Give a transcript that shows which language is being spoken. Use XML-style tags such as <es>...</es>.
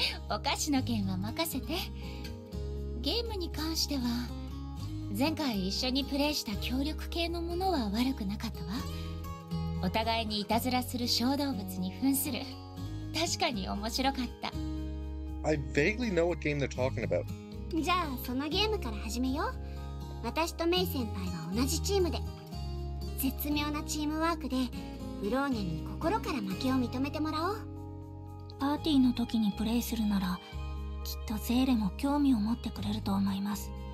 <ja>お菓子の件は任せて。ゲームに関しては前回一緒にプレイした協力系のものは悪くなかったわ。お互いにいたずらする小動物に扮する、確かに面白かった。</ja> <en>I vaguely know what game they're talking about.</en> <ja>じゃあそのゲームから始めよう。私とメイ先輩は同じチームで、絶妙なチームワークでブローニャに心から負けを認めてもらおう。パーティーの時にプレイするならきっとゼーレも興味を持ってくれると思います。</ja>